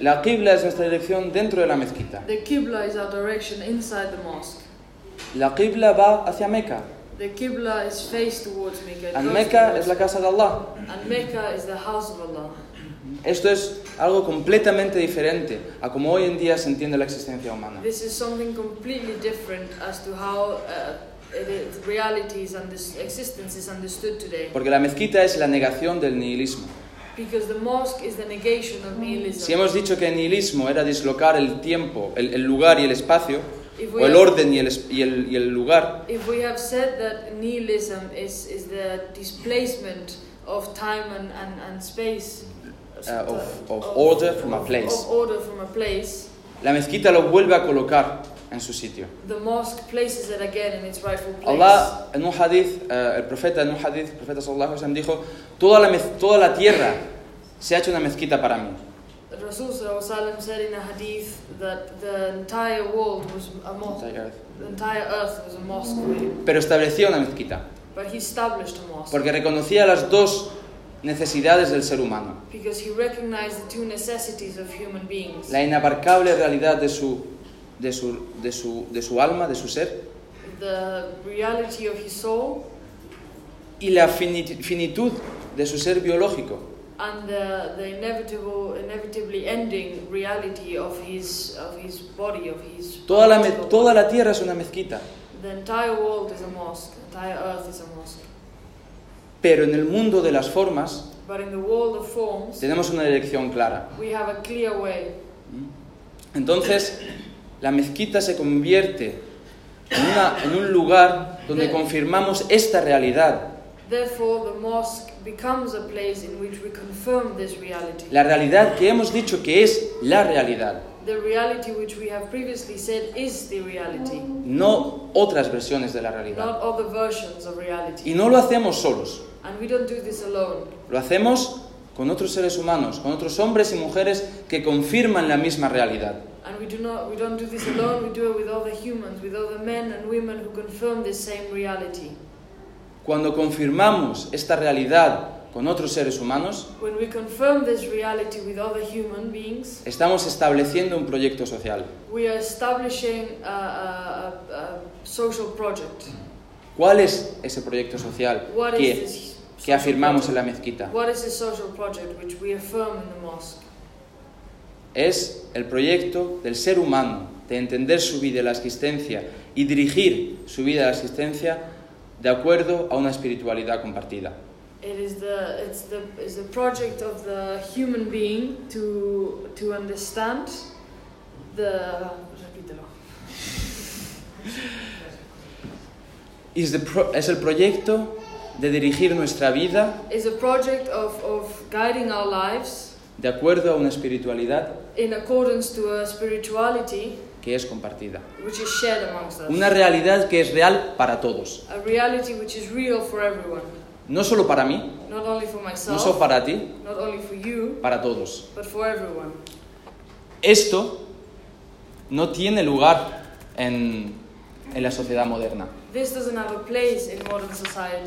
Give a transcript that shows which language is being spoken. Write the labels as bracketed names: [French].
[Spanish] La qibla es nuestra dirección dentro de la mezquita. [English] The qibla is our direction inside the mosque. [Spanish] La qibla va hacia Mecca. [English] The qibla is faced towards Mecca. [Spanish] And Mecca es la casa de Allah. [English] And Mecca is the house of Allah. [Spanish] Esto es algo completamente diferente a como hoy en día se entiende la existencia humana. [English] This is something completely different as to how the realities and this existence is understood today. [Spanish] Porque la mezquita es la negación del nihilismo. [English] Because the mosque is the negation of nihilism. [Spanish] Si hemos dicho que el nihilismo era dislocar el tiempo, el lugar y el espacio, o el orden y el lugar. [English] If we have said that nihilism is the displacement of time and space, of order from a place. [Spanish] La mezquita lo vuelve a colocar en su sitio. [English] The mosque places it again in its rightful place. [Spanish] Allah en un hadith, el profeta sallallahu alaihi wasallam dijo, toda la tierra se ha hecho una mezquita para mí. [English] Rasul sallallahu alaihi wasallam said in a hadith that the entire world was a mosque. The entire earth was a mosque. [Spanish] Pero estableció una mezquita. [English] But he established a mosque. [Spanish] Porque reconocía las dos necesidades del ser humano. [English] Because he recognized the two necessities of human beings. [Spanish] La inabarcable realidad de su alma, de su ser. [English] The reality of his soul. [Spanish] Y la finitud de su ser biológico. [English] And the inevitably ending reality of his body, of his. [Spanish] Toda la tierra es una mezquita. [English] The entire world is a mosque. The entire earth is a mosque. [Spanish] Pero en el mundo de las formas. [English] But in the world of forms. [Spanish] Tenemos una dirección clara. [English] We have a clear way. [Spanish] Entonces, la mezquita se convierte en un lugar donde confirmamos esta realidad. [English] Therefore, the mosque becomes a place in which we confirm this reality. [Spanish] La realidad que hemos dicho que es la realidad. [English] The reality which we have previously said is the reality. [Spanish] No otras versiones de la realidad. [English] Not other versions of reality. [Spanish] Y no lo hacemos solos. [English] And we don't do this alone. [Spanish] Lo hacemos con otros seres humanos, con otros hombres y mujeres que confirman la misma realidad. [English] And we don't do this alone, we do it with other humans, with other men and women who confirm this same reality. [Spanish] Cuando confirmamos esta realidad con otros seres humanos, [English] when we confirm this reality with other human beings, [Spanish] estamos estableciendo un proyecto social. [English] We are establishing a social project. [Spanish] ¿Cuál es ese proyecto social que afirmamos en la mezquita? [English] What is this social project which we affirm in the mosque? [Spanish] Es el proyecto del ser humano de entender su vida y la existencia y dirigir su vida y la existencia de acuerdo a una espiritualidad compartida. [English] It's the project of the human being to understand the [Spanish] es el proyecto de dirigir nuestra vida. [English] It's a project of guiding our lives [Spanish] de acuerdo a una espiritualidad [English] in accordance to a spirituality [Spanish] que es compartida. [English] Which is shared amongst us. [Spanish] Una realidad que es real para todos. [English] A reality which is real for everyone. [Spanish] No solo para mí. [English] Not only for myself. [Spanish] No solo para ti. [English] Not only for you. [Spanish] Para todos. [English] But for everyone. [Spanish] Esto no tiene lugar en la sociedad moderna. [English] This doesn't have a place in modern society.